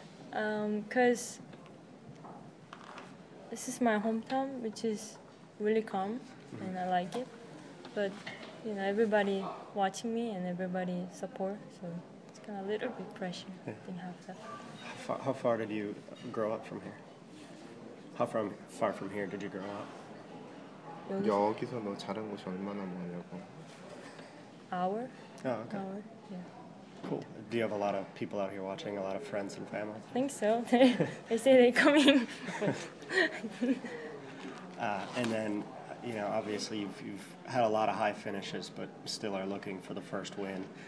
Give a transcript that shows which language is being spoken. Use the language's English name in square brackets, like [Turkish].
[English] Because this is my hometown, which is really calm, mm-hmm. and I like it. But, you know, everybody watching me and everybody support, so it's kind of a little bit pressure. Yeah. I think half-half. How far did you grow up from here? How far from here did you grow up? [Korean] 여기서 너 자란 곳이 얼마나 멀냐고. [English] Hour? Oh, okay. Hour, yeah. Cool. Do you have a lot of people out here watching, a lot of friends and family? I think so. They say they're coming. And then, you know, obviously you've had a lot of high finishes, but still are looking for the first win.